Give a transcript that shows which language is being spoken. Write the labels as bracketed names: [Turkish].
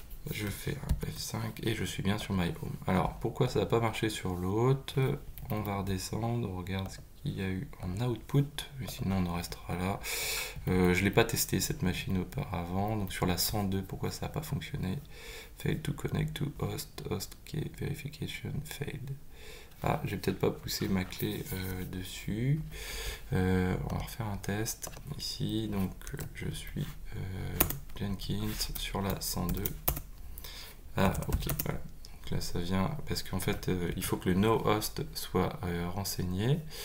[French] Je fais un F5 et je suis bien sur [English] my home. [French] Alors, pourquoi ça n'a pas marché sur l'autre? On va redescendre. On regarde ce qu'il y a eu en output. Mais sinon, on en restera là. Je ne l'ai pas testé cette machine auparavant. Donc sur la 102, pourquoi ça n'a pas fonctionné? [English] Fail to connect to host. Host key verification failed. [French] Ah, j'ai peut-être pas poussé ma clé dessus. On va refaire un test ici. Donc, je suis Jenkins sur la 102. Ah, ok, voilà. Donc là, ça vient parce qu'en fait, il faut que le nohost soit renseigné.